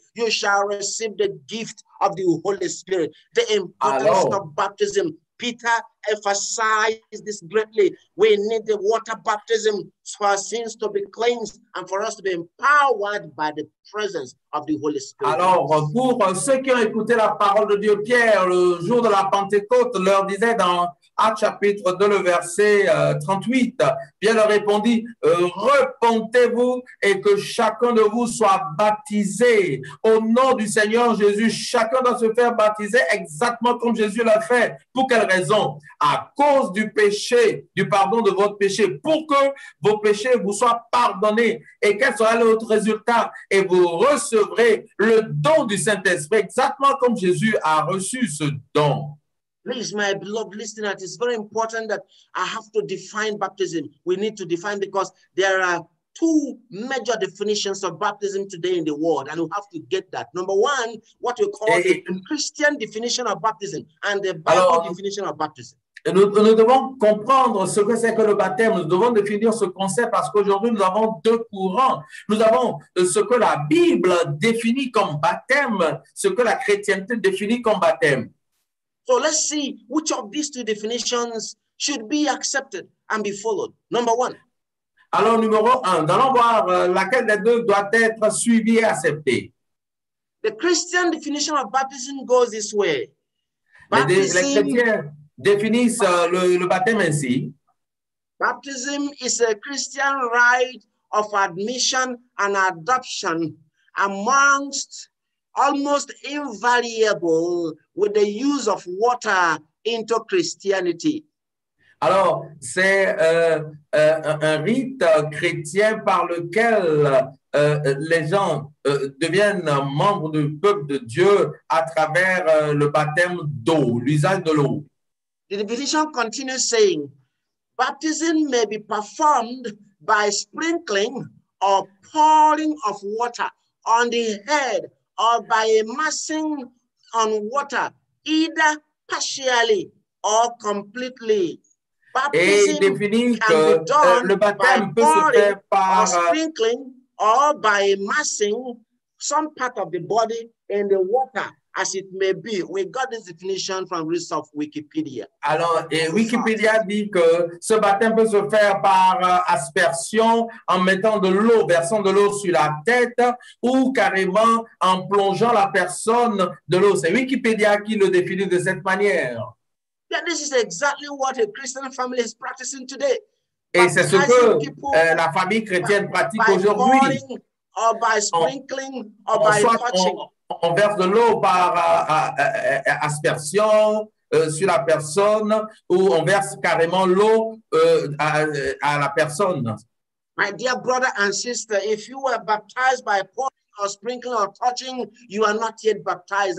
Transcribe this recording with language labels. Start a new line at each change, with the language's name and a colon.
English: You shall receive the gift of the Holy Spirit. The importance of baptism. Peter emphasized this greatly. We need the water baptism for our sins to be cleansed and for us to be empowered by the presence of the Holy Spirit.
French: Alors, pour ceux qui ont écouté la parole de Dieu, Pierre, le jour de la Pentecôte, leur disait dans Acte chapitre 2, le verset 38, Pierre leur répondit, repentez-vous et que chacun de vous soit baptisé au nom du Seigneur Jésus. Chacun doit se faire baptiser exactement comme Jésus l'a fait. Pour quelle raison? À cause du péché, du pardon de votre péché, pour que vos péchés vous soient pardonnés. Et quel sera l'autre résultat? Et vous recevrez le don du Saint-Esprit, exactement comme Jésus a reçu ce don.
English: Please, my beloved listener, it's very important that I have to define baptism. We need to define because there are two major definitions of baptism today in the world, and we have to get that. Number one, what we call the Christian definition of baptism and the Bible definition of baptism.
French: Nous devons comprendre ce que c'est que le baptême. Nous devons définir ce concept parce qu'aujourd'hui, nous avons deux courants. Nous avons ce que la Bible définit comme baptême, ce que la chrétienté définit comme baptême.
English: So let's see which of these two definitions should be accepted and be followed. Number one.
French: Alors, numéro un, allons voir laquelle des deux doit être suivie et acceptée.
English: The Christian definition of baptism goes this way.
French: Les chrétiens définissent le baptême ainsi.
English: Baptism is a Christian rite of admission and adoption amongst almost invariable with the use of water into Christianity.
French: Alors, c'est un rite chrétien par lequel les gens deviennent membres du peuple de Dieu à travers le baptême d'eau, l'usage de l'eau.
English: The definition continues saying, baptism may be performed by sprinkling or pouring of water on the head or by immersing on water, either partially or completely. Baptism can be done by pouring or sprinkling or by immersing some part of the body in the water, as it may be. We got this definition from Rules of Wikipedia.
French: Alors, et Wikipedia dit que ce baptême peut se faire par aspersion, en mettant de l'eau, versant de l'eau sur la tête, ou carrément en plongeant la personne de l'eau. C'est Wikipedia qui le définit de cette manière.
English: Yeah, this is exactly what a Christian family is practicing today.
French: Et c'est ce que la famille chrétienne pratique aujourd'hui.
English: By pouring, or by sprinkling, or by touching.
French: On verse de l'eau par aspersion sur la personne, ou on verse carrément l'eau à la personne.
English: My dear brother and sister, if you were baptized by pouring or sprinkling or touching, you are not yet baptized.